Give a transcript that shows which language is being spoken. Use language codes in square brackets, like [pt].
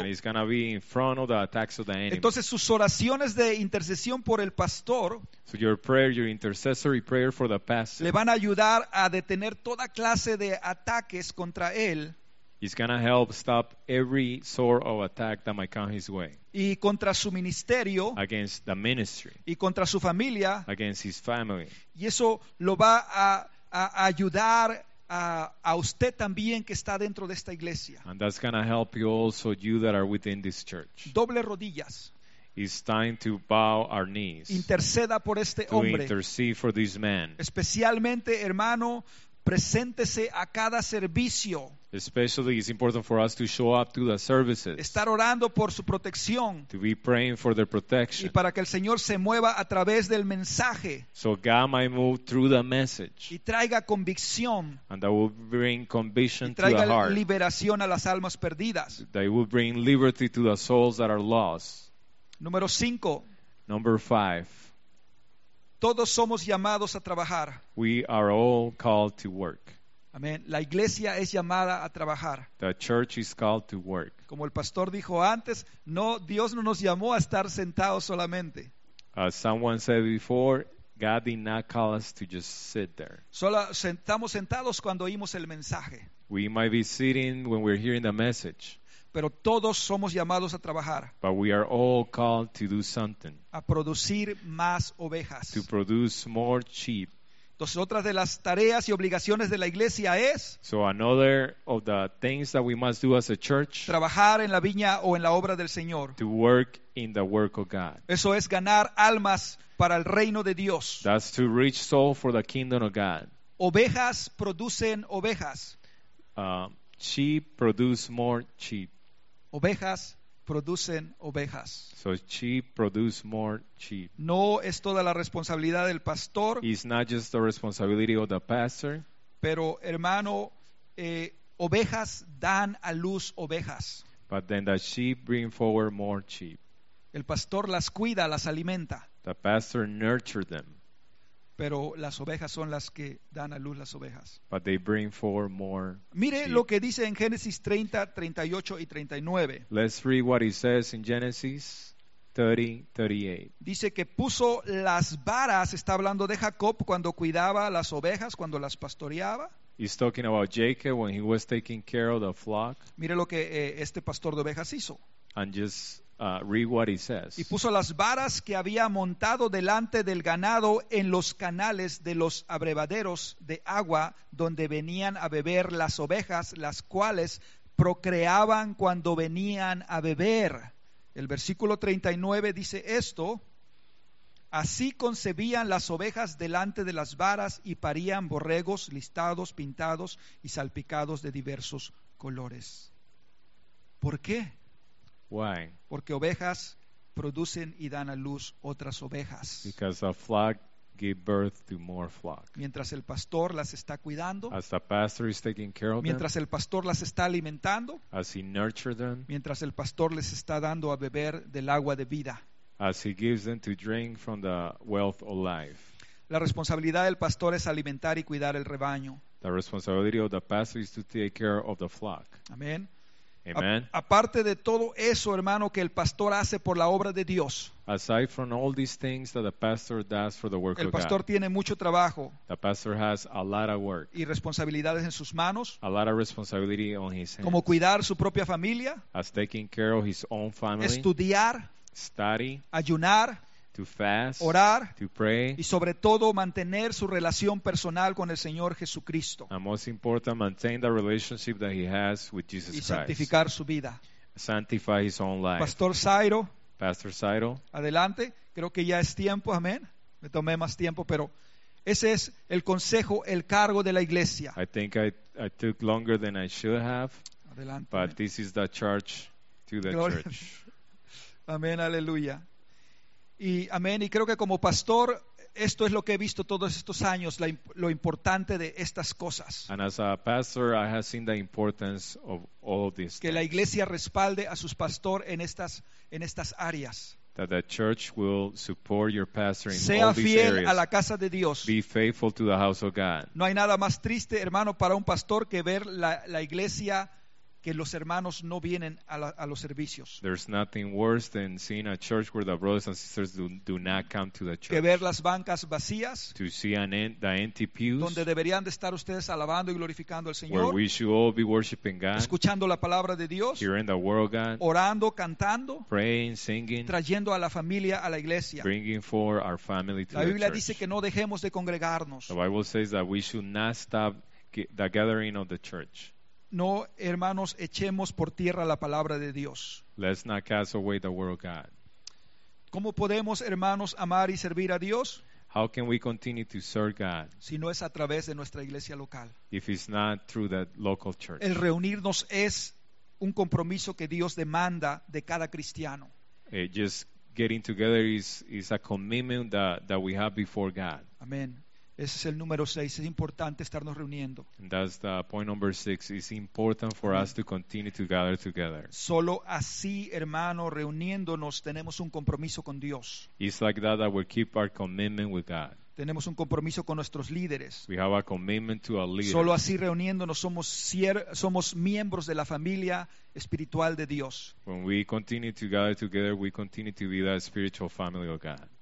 [en] And he's going to be in front of the attacks of the enemy. [es] Entonces sus oraciones de intercesión por el pastor. [en] So your prayer, your intercessory prayer for the pastor. [es] Le van a ayudar a detener toda clase de ataques contra él. [en] He's going to help stop every sort of attack that might come his way. [es] Y contra su ministerio. [en] Against the ministry. [es] Y contra su familia. [en] Against his family. [es] Y eso lo va a ayudar a usted también que está dentro de esta iglesia. [en] And that's going to help you also, you that are within this church. [es] Doble rodillas. [en] It's time to bow our knees. [es] Interceda por este [en] to [es] hombre. [en] To intercede for this man. [es] Especialmente, hermano, preséntese a cada servicio. [en] Especially, it's important for us to show up to the services. [es] Estar orando por su protección. [en] To be praying for their protection. [es] Y para que el Señor se mueva a través del mensaje. [en] So God might move through the message. [es] Y traiga convicción. [en] And that will bring conviction to the heart. [es] Y traiga liberación a las almas perdidas. [en] That it will bring liberty to the souls that are lost. [es] Número cinco. [en] Number five. [es] Todos somos llamados a trabajar. [en] We are all called to work. [es] Amén. La iglesia es llamada a trabajar. [en] The church is called to work. [es] Como el pastor dijo antes, no, Dios no nos llamó a estar sentados solamente. [en] As someone said before, God did not call us to just sit there. [es] Solo estamos sentados cuando oímos el mensaje. [en] We might be sitting when we're hearing the message. [es] Pero todos somos llamados a trabajar. [en] But we are all called to do something. [es] A producir más ovejas. [en] To produce more sheep. [es] Entonces, otra de las tareas y obligaciones de la iglesia es [en] so another of the things that we must do as a church, [es] trabajar en la viña o en la obra del Señor. [en] To work in the work of God. [es] Eso es ganar almas para el reino de Dios. [en] That's to reach soul for the kingdom of God. [es] Ovejas producen ovejas. [en] Sheep produce more sheep. [es] Ovejas producen ovejas. [en] So sheep produce more sheep. [es] No es toda la responsabilidad del pastor. [en] It's not just the responsibility of the pastor. [es] Pero hermano, ovejas dan a luz ovejas. [en] But then the sheep bring forward more sheep. [es] El pastor las cuida, las alimenta. [en] The pastor nurtures them. [es] Pero las ovejas son las que dan a luz las ovejas. [en] But they bring forth more. [es] Mire [en] sheep. [es] Lo que dice en Génesis 30, 38 y 39. [en] Let's read what it says in Genesis 30, 38. [es] Dice que puso las varas, está hablando de Jacob cuando cuidaba las ovejas, cuando las pastoreaba. [en] He's talking about Jacob when he was taking care of the flock. [es] Mire lo que este pastor de ovejas hizo. [en] And just read what he says. [es] Y puso las varas que había montado delante del ganado en los canales de los abrevaderos de agua donde venían a beber las ovejas, las cuales procreaban cuando venían a beber. El versículo 39 dice esto: así concebían las ovejas delante de las varas y parían borregos listados, pintados y salpicados de diversos colores. ¿Por qué? [en] Why? [es] Porque ovejas producen y dan a luz otras ovejas. [en] Because a flock gives birth to more flock. [es] Mientras el pastor las está cuidando. [en] As the pastor is taking care of them. [es] Mientras el pastor las está alimentando. [en] As he nurtures them. [es] Mientras el pastor les está dando a beber del agua de vida. [en] As he gives them to drink from the wealth of life. [es] La responsabilidad del pastor es alimentar y cuidar el rebaño. [en] The responsibility of the pastor is to take care of the flock. [es] Amén. [en] Amen. [es] Aparte de todo eso, hermano, que el pastor hace por la obra de Dios. [en] Aside from all these things that the pastor does for the work of God. [es] El pastor tiene mucho trabajo. [en] The pastor has a lot of work. [es] Y responsabilidades en sus manos. [en] A lot of responsibility on his hands. [es] Como cuidar su propia familia. [en] As taking care of his own family. [es] Estudiar. [en] Study. [es] Ayunar. [en] To fast, [es] orar, [en] to pray, [es] y sobre todo mantener su relación personal con el Señor Jesucristo. [en] And most important, maintain the relationship that he has with Jesus [es] Christ. Y santificar [en] Christ. [es] Su vida. [en] Sanctify his own life. [es] Pastor Zairo. [en] Pastor Zairo. [es] Adelante. Creo que ya es tiempo. Amén. Me tomé más tiempo, pero ese es el consejo, el cargo de la iglesia. [en] I think I took longer than I should have. [es] Adelante. [en] But amen. This is the church to the [es] Gloria. [en] Church. [es] Amén. Aleluya. Y amén, y creo que como pastor esto es lo que he visto todos estos años, lo importante de estas cosas. [en] And as a pastor, I have seen the importance of all these. [es] Que la iglesia respalde a sus pastor en estas áreas. [en] That the church will support your pastor in [es] sea [en] all these [es] fiel [en] areas. [es] A la casa de Dios. [en] Be faithful to the house of God. [es] No hay nada más triste, hermano, para un pastor que ver la iglesia que los hermanos no vienen a los servicios. [en] There's nothing worse than seeing a church where the brothers and sisters do not come to the church. [es] Que ver las bancas vacías. [en] To see the empty pews. [es] Donde deberían de estar ustedes alabando y glorificando al Señor. [en] Where we should all be worshiping God. [es] Escuchando la palabra de Dios. [en] Hearing the word of God. [es] Orando, cantando. [en] Praying, singing. [es] Trayendo a la familia a la iglesia. [en] Bringing for our family to the church. [es] La Biblia dice que no dejemos de congregarnos. [en] The Bible says that we should not stop the gathering of the church. [es] No, hermanos, echemos por tierra la palabra de Dios. [en] Let's not cast away the word of God. [es] ¿Cómo podemos, hermanos, amar y servir a Dios? [en] How can we continue to serve God? [es] Si no es a través de nuestra iglesia local. [en] If it's not through the local church. [es] El reunirnos es un compromiso que Dios demanda de cada cristiano. [en] Just getting together is a commitment that we have before God. [es] Amén. Ese es el número 6, es importante estarnos reuniendo. [en] That's the point number 6. It's important for us to continue to gather together. [es] Solo así, hermano, reuniéndonos, tenemos un compromiso con Dios. [en] It's like that we keep our commitment with God. [es] Tenemos un compromiso con nuestros líderes. [en] We have a commitment to our leaders. [es] Solo así reuniéndonos somos miembros de la familia espiritual de Dios. [en] When we continue to gather together, we continue to be the spiritual family of God.